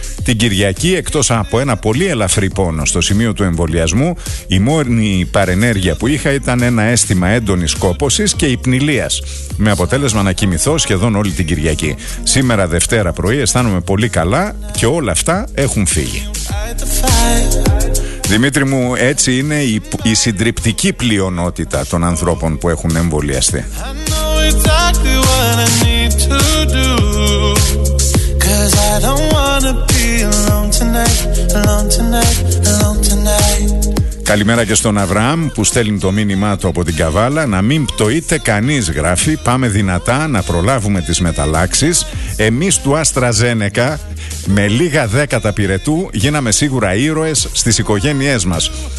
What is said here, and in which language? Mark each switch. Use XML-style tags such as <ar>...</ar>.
<el>Την Κυριακή, εκτός από ένα πολύ ελαφρύ πόνο στο σημείο του εμβολιασμού, η μόνη παρενέργεια που είχα ήταν ένα αίσθημα έντονης κόπωσης και υπνηλίας, με αποτέλεσμα να κοιμηθώ σχεδόν όλη την Κυριακή. Σήμερα Δευτέρα πρωί αισθάνομαι πολύ καλά και όλα αυτά έχουν φύγει. Δημήτρη μου, έτσι είναι η συντριπτική πλειονότητα των ανθρώπων που έχουν εμβολιαστεί.</el> <en>exactly what I need to do. Cause I don't wanna be alone tonight, alone tonight, alone tonight.</en> <el>Καλημέρα και στον Αβραάμ που στέλνει το μήνυμά του από την Καβάλα. Να μην πτωείτε κανείς, γράφει. Πάμε δυνατά να προλάβουμε τις μεταλλάξεις. Εμείς του AstraZeneca με λίγα δέκατα πυρετού γίναμε σίγουρα ήρωες στις οικογένειές μας.</el>